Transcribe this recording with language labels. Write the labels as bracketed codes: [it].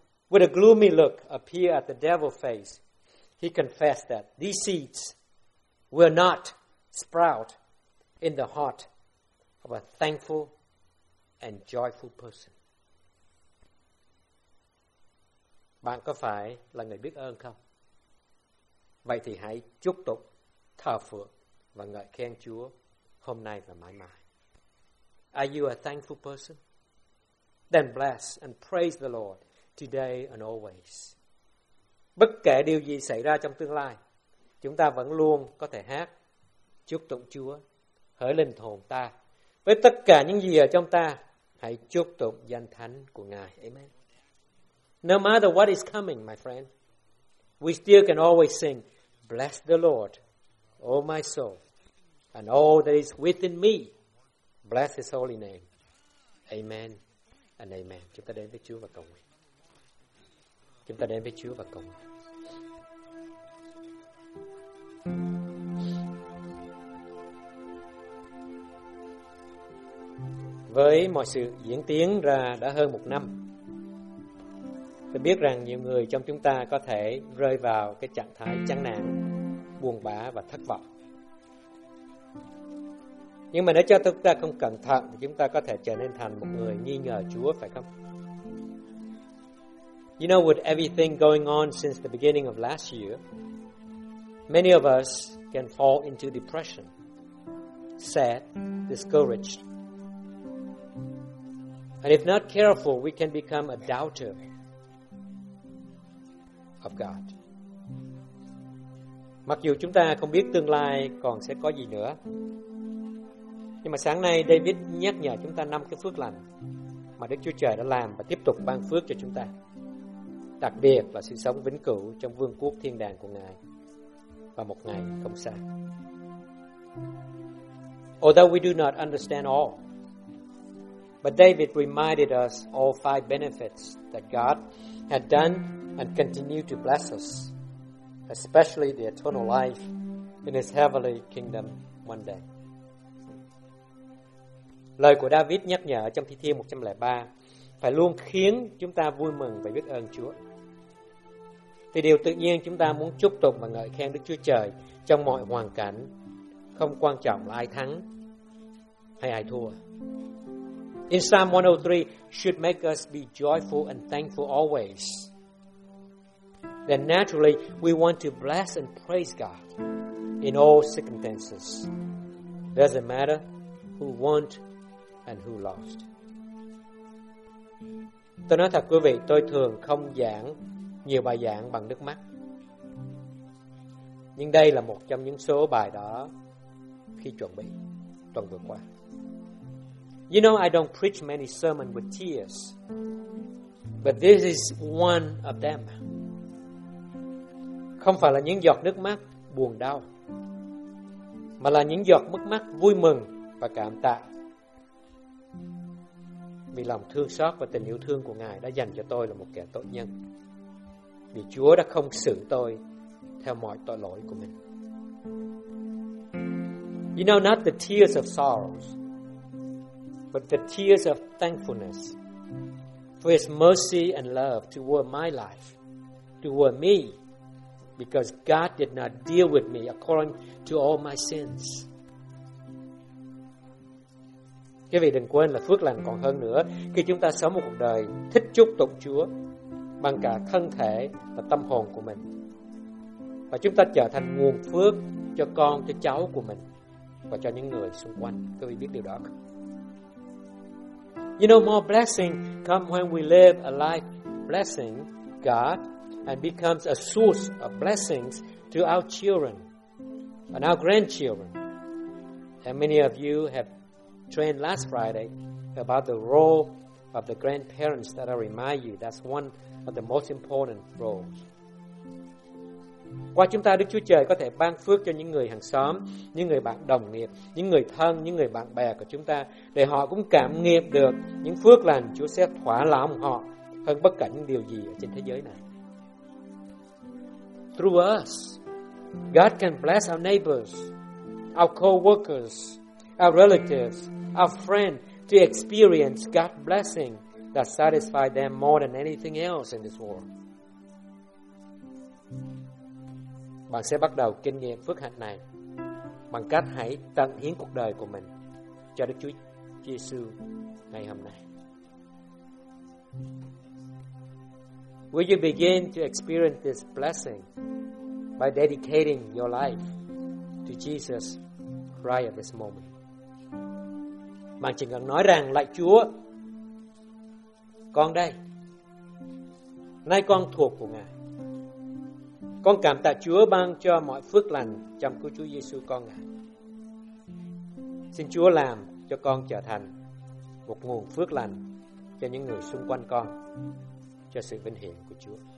[en] With a gloomy look appear at the devil's face, he confessed that these seeds will not sprout in the heart of a thankful and joyful person. [vi] Bạn có phải là người biết ơn không? Vậy thì hãy chúc tụng, thờ phượng và ngợi khen Chúa hôm nay và mãi mãi. [en] Are you a thankful person? Then bless and praise the Lord today and always. [vi] Bất kể điều gì xảy ra trong tương lai, chúng ta vẫn luôn có thể hát chúc tụng Chúa, hỡi linh hồn ta. Với tất cả những gì ở trong ta, hãy chúc tụng danh thánh của Ngài. [en] Amen. No matter what is coming, my friend, we still can always sing, bless the Lord, O my soul, and all that is within me, bless His holy name. Amen and amen. [vi] Chúng ta đến với Chúa và cầu nguyện. Chúng ta đến với Chúa và cầu nguyện. Với mọi sự diễn tiến ra đã hơn một năm, tôi biết rằng nhiều người trong chúng ta có thể rơi vào cái trạng thái chán nản, buồn bã và thất vọng. Nhưng mà nếu cho chúng ta không cẩn thận thì chúng ta có thể trở nên thành một người nghi ngờ Chúa, phải không? [en] You know, with everything going on since the beginning of last year, many of us can fall into depression, sad, discouraged. And if not careful, we can become a doubter of God. [vi] Mặc dù chúng ta không biết tương lai còn sẽ có gì nữa, nhưng mà sáng nay David nhắc nhở chúng ta năm cái phước lành mà Đức Chúa Trời đã làm và tiếp tục ban phước cho chúng ta, đặc biệt là sự sống vĩnh cửu trong vương quốc thiên đàng của Ngài và một ngày không xa. [en] Although we do not understand all, but David reminded us all five benefits that God had done and continued to bless us, especially the eternal life in His heavenly kingdom one day. [vi] Lời của David nhắc nhở trong Thi Thiên 103 phải luôn khiến chúng ta vui mừng và biết ơn Chúa. Thì điều tự nhiên chúng ta muốn chúc tụng và ngợi khen Đức Chúa Trời trong mọi hoàn cảnh, không quan trọng là ai thắng hay ai thua. [en] In Psalm 103 should make us be joyful and thankful always. Then naturally we want to bless and praise God in all circumstances. Doesn't matter who won and who lost. [vi] Tôi nói thật quý vị, tôi thường không giảng nhiều bài giảng bằng nước mắt. Nhưng đây là một trong những số bài đó khi chuẩn bị tuần vừa qua. [en] You know, I don't preach many sermons with tears, but this is one of them. [vi] Không phải là những giọt nước mắt buồn đau, mà là những giọt nước mắt vui mừng và cảm tạ vì lòng thương xót và tình yêu thương của Ngài đã dành cho tôi là một kẻ tội nhân, vì Chúa đã không xử tôi theo mọi tội lỗi của mình. [en] You know, not the tears of sorrows, but the tears of thankfulness for His mercy and love toward my life, toward me, because God did not deal with me according to all my sins. [vi] Quý vị đừng quên là phước lành còn hơn nữa khi chúng ta sống một cuộc đời thích chúc tụng Chúa bằng cả thân thể và tâm hồn của mình, và chúng ta trở thành nguồn phước cho con, cho cháu của mình và cho những người xung quanh. Quý vị biết điều đó không? [en] You know, more blessing come when we live a life blessing God and becomes a source of blessings to our children and our grandchildren. And many of you have trained last Friday about the role of the grandparents, that I remind you, that's one of the most important roles. [vi] Qua chúng ta, Đức Chúa Trời có thể ban phước cho những người hàng xóm, những người bạn đồng nghiệp, những người thân, những người bạn bè của chúng ta, để họ cũng cảm nghiệm được những phước lành Chúa sẽ thỏa lòng họ hơn bất cả những điều gì ở trên thế giới này. [en] Through us, God can bless our neighbors, our co-workers, our relatives, our friends to experience God's blessing that satisfies them more than anything else in this world. [vi] Bạn sẽ bắt đầu kinh nghiệm phước hạnh này bằng cách hãy tận hiến cuộc đời của mình cho Đức Chúa Giêsu ngày hôm nay. [en] Will you begin to experience this blessing by dedicating your life to Jesus right at this moment? [vi] Bạn chỉ cần nói rằng, lạy Chúa, con đây, nay con thuộc của Ngài. Con cảm tạ Chúa ban cho mọi phước lành trong cứu Chúa Giêsu con Ngài. Xin Chúa làm cho con trở thành một nguồn phước lành cho những người xung quanh con, cho sự vinh hiển của Chúa.